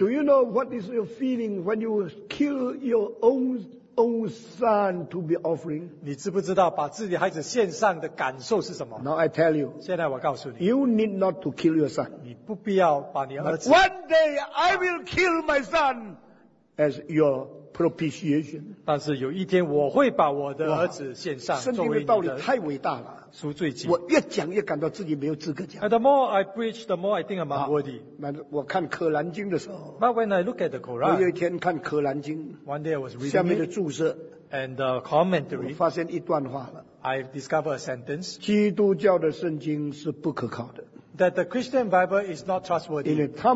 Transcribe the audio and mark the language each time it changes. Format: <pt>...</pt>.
<en>Do you know what is your feeling when you kill your own son to be offering?</en> <zh>你知不知道把自己孩子献上的感受是什么？</zh> <en>Now I tell you.</en> <zh>现在我告诉你。</zh> <en>You need not to kill your son.</en> <zh>你不必要把你儿子。</zh> <en>One day I will kill my son as your propitiation，</en> <zh>但是有一天我会把我的儿子献上作为你的赎罪祭。圣经的道理太伟大了，赎罪祭。我越讲越感到自己没有资格讲。</zh> <en>And the more I preach, the more I think I'm unworthy.</en> <zh>我看可兰经的时候</zh> <en>，But when I look at the Quran，</en> <zh>我有一天看可兰经</zh> <en>，One day I was reading</en> <zh>下面的注释</zh> <en>，and the commentary，</en> <zh>我发现一段话了</zh> <en>，I discovered a sentence，</en> <zh>基督教的圣经是不可靠的。</zh> <en>That the Christian Bible is not trustworthy.</en>